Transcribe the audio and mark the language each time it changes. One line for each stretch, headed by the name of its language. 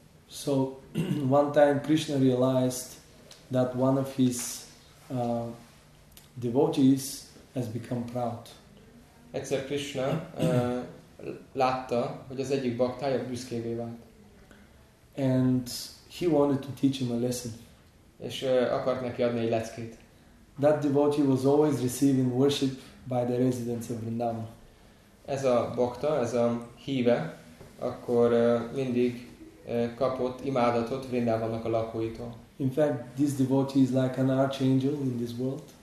English: So, one time Krishna realized that one of his devotees has become proud.
Hungarian: Egyszer Krishna látta, hogy az egyik baktája büszkévé vált.
English: And he wanted to teach him a lesson.
Hungarian: És akart neki adni egy leckét.
English: That devotee was always receiving worship by the residents of Vrindavan.
Hungarian: Ez a bakta, ez a híve, akkor mindig kapott imádatot Vrindavannak a lakóitól.
English: In fact, this devotee is like an archangel in this world.